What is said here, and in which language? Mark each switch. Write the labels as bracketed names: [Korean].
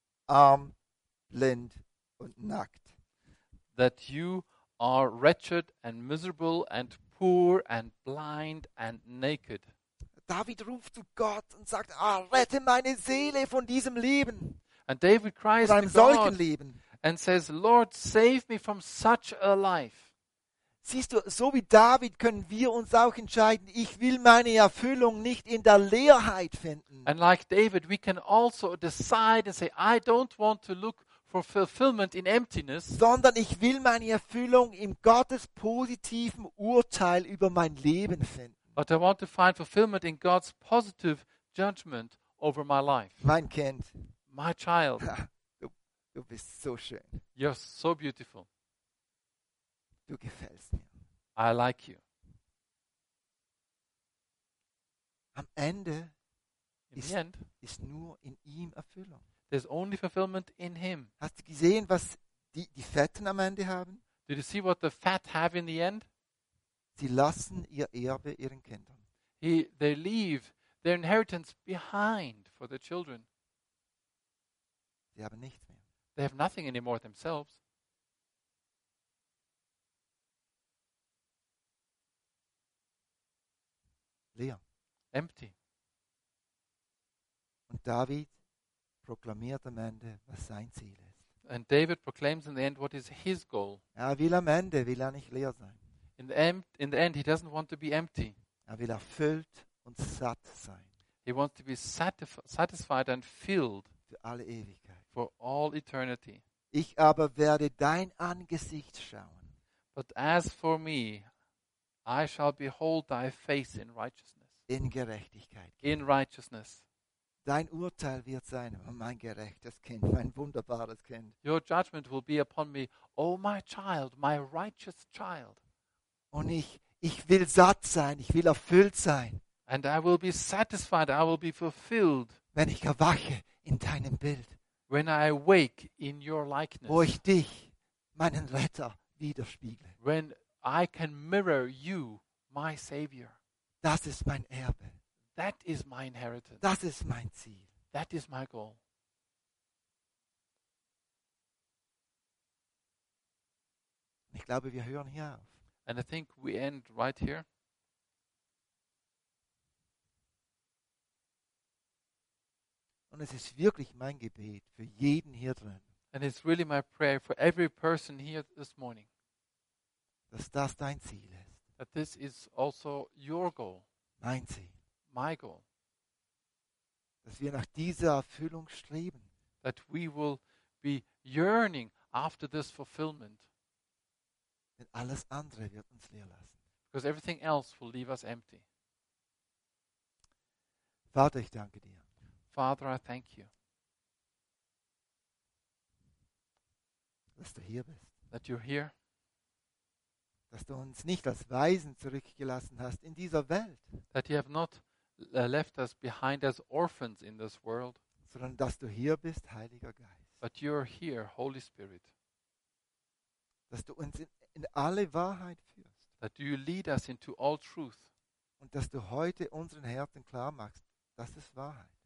[German] Arm, blind und nackt. [English] That you are wretched and miserable and poor and blind and naked. [German] David ruft zu Gott und sagt, rette meine Seele von diesem Leben. [English] And David cries to God [German] solchen Leben. [English] And says, Lord, save me from such a life. [German] Siehst du, so wie David können wir uns auch entscheiden, ich will meine Erfüllung nicht in der Leerheit finden. [English] And like David, we can also decide and say, I don't want to look for fulfillment in emptiness, [German] sondern ich will meine Erfüllung im Gottes positiven Urteil über mein Leben finden. [English] But I want to find fulfillment in God's positive judgment over my life. [German] Mein Kind. [English] My child. [German] Du bist so schön. [English] You're so beautiful. [German] Du gefällst mir. [English] I like you. [German] Am Ende ist nur in ihm Erfüllung. [English] There's only fulfillment in him. [German] Hast du gesehen, was die Fetten am Ende haben? [English] Did you see what the fat have in the end? [German] Sie lassen ihr Erbe ihren Kindern. [English] They leave their inheritance behind for their children. [German] Sie haben nichts mehr. [English] They have nothing anymore themselves. [German] Leer. [English] Empty. [German] Und David proklamiert am Ende, was sein Ziel ist. [English] And David proclaims in the end what is his goal. [German] Er will am Ende, will er nicht leer sein. [English] In the end, he doesn't want to be empty. [German] Er will erfüllt und satt sein. [English] He wants to be satisfied and filled. [German] Für alle Ewigkeit. [English] For all eternity. [German] Ich aber werde dein Angesicht schauen. [English] But as for me, I shall behold thy face in righteousness. [German] In Gerechtigkeit. [English] In righteousness. [German] Dein Urteil wird sein, mein gerechtes Kind, mein wunderbares Kind. [English] Your judgment will be upon me, oh my child, my righteous child. [German] Und ich will satt sein, ich will erfüllt sein. [English] And I will be satisfied, I will be fulfilled. [German] Wenn ich erwache in deinem Bild. [English] When I awake in your likeness. [German] Wo ich dich, meinen Retter, widerspiegle. [English] When I can mirror you, my Savior. [German] Das ist mein Erbe. [English] That is my inheritance. [German] Das ist mein Ziel. [English] That is my goal. [German] Ich glaube, wir hören hier auf. [English] And I think we end right here. [German] Und es ist wirklich mein Gebet für jeden hier drin. [English] And it's really my prayer for every person here this morning. [German] Dass das dein Ziel ist. [English] That this is also your goal. [German] Mein Ziel. [English] My goal. [German] Dass wir nach dieser Erfüllung streben. [English] That we will be yearning after this fulfillment. [German] Denn alles andere wird uns leer lassen. [English] Because everything else will leave us empty. [German] Vater, ich danke dir. [English] Father, I thank you. [German] Dass du hier bist. [English] That you're here. [German] Dass du uns nicht als Waisen zurückgelassen hast in dieser Welt. [English] That you have not left us behind as orphans in this world. [German] Sondern dass du hier bist, Heiliger Geist. [English] But you're here, Holy Spirit. [German] Dass du uns in alle Wahrheit führst. [English] That you lead us into all truth. [German] Und dass du heute unseren Herzen klar machst, das ist Wahrheit.